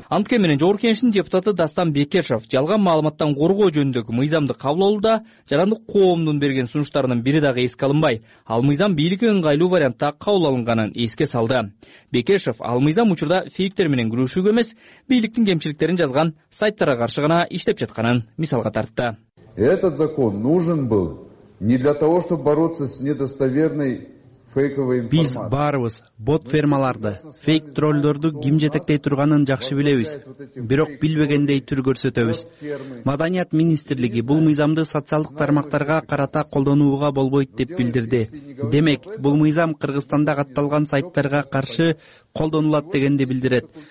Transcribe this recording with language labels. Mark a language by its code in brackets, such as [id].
[ky] Анткен менен Жогорку Кеңештин депутаты Дастан Бекешев жалган маалыматтан коргоо жөнүндөгү мыйзамды кабыл алууда жарандык коомдун берген сунуштарынын бири дагы эске алынбай, ал мыйзам бийлигке ыңгайлуу вариантта кабыл алынганын эске салды. Бекешев ал мыйзам учурда фейктер менен күрөшүүгө эмес, бийликтин кемчиликтерин жазган сайттарга каршы гана иштеп жатканын мисалга тартты. [ru] Этот закон нужен был не для того, чтобы бороться с недостоверной. [ky] Биз баарыбыз бот фермаларды, фейк тролдорду ким жетектей турганын жакшы билебиз, бирок билбегендей түр көрсөтөбүз. Маданият министрлиги бул мыйзамды социалдык тармактарга карата колдонууга болбойт деп билдирди. Демек, бул мыйзам Кыргызстанда катталган сайттарга каршы колдонулат дегенди билдирет.